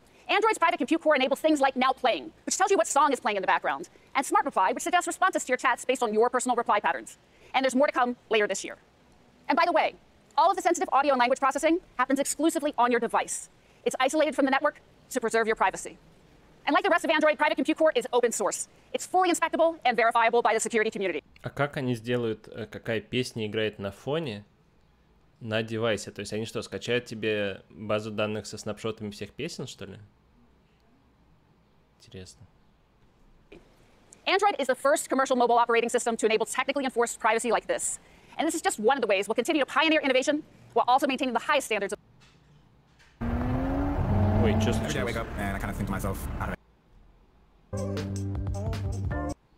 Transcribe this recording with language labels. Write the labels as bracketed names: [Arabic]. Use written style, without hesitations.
[English] Android's private compute core enables things like Now Playing, which tells you what song is playing in the background, and Smart Reply, which suggests responses to your chats based on your personal reply patterns. And there's more to come later this year. And by the way, all of the sensitive audio and language processing happens exclusively on your device. It's isolated from the network to preserve your privacy. And like the rest of Android, Private Compute Core is open source. It's fully inspectable and verifiable by the security community. [Russian] А как они сделают, какая песня играет на фоне на девайсе? То есть они что, скачают тебе базу данных со снапшотами всех песен, что ли? Интересно. [English] Android is the first commercial mobile operating system to enable technically enforced privacy like this. And this is just one of the ways we'll continue to pioneer innovation while also maintaining the highest standards of... Ой, Wait, just actually, I wake up and I kind of think to myself.